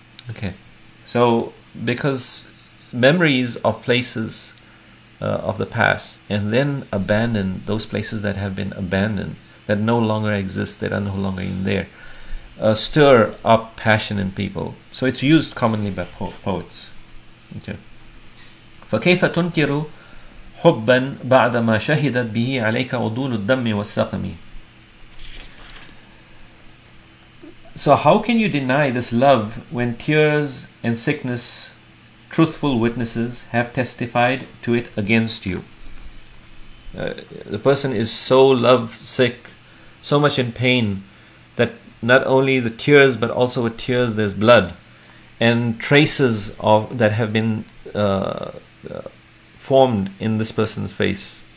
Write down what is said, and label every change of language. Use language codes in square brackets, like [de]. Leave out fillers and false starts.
[en] Okay, so because memories of places of the past, and then abandon those places that have been abandoned, that no longer exist, that are no longer in there, stir up passion in people. So it's used commonly by poets. Okay. [ar] فكيف تنكر حبا بعدما شهدت به عليك عضول الدم والسقم. [en] So how can you deny this love when tears and sickness, truthful witnesses, have testified to it against you? The person is so lovesick, so much in pain, that not only the tears, but also with tears there's blood, and traces of that have been formed in this person's face.